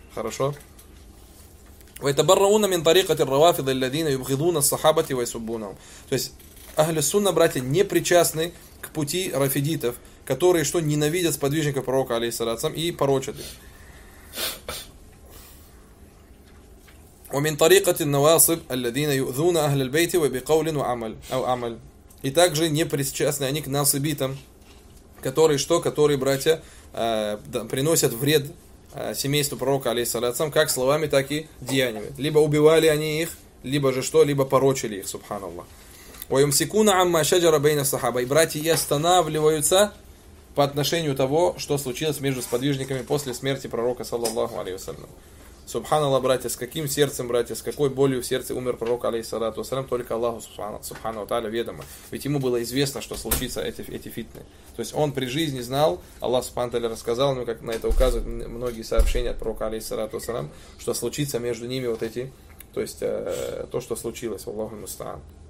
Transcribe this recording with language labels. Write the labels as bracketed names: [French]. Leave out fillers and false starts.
[Russian] Хорошо? [Arabic] وَيْتَبَرَّعُونَ مِنْ طَرِيقَةِ الرَّوَافِضِ الَّذِينَ يُبْغِضُونَ الصَّحَابَةِ وَيْسُبُّونَ. [Russian] То есть Ахли Сунна, братья, не причастны к пути рафидитов, которые что, ненавидят сподвижника пророка, алейхиссалям, и порочат их. [Arabic] ومن طريقة النواصب الذين يؤذون أهل البيت وبقول وعمل أو عمل. [Russian] И также не причастны они к насыбитам, которые что, которые братья приносят вред семейству пророка алейхиссалям, как словами, так и деяниями. Либо убивали они их, либо же что, либо порочили их, субханаллах. [Arabic] ويمسكون عما شجر بين الصحابة. [Russian] И братья и останавливаются по отношению того, что случилось между сподвижниками после смерти пророка саллаллаху алейхи вассалям. Субханаллах, братья, с каким сердцем, братья, с какой болью в сердце умер пророк, алейхиссалату вассалям, только Аллаху, субхана ва тааля, ведомо. Ведь ему было известно, что случится эти фитны. То есть он при жизни знал, Аллах, субхана ва тааля, рассказал ему, как на это указывают многие сообщения от пророка, алейхиссалату вассалям, что случится между ними вот эти, то есть то, что случилось, Аллаху мустаан.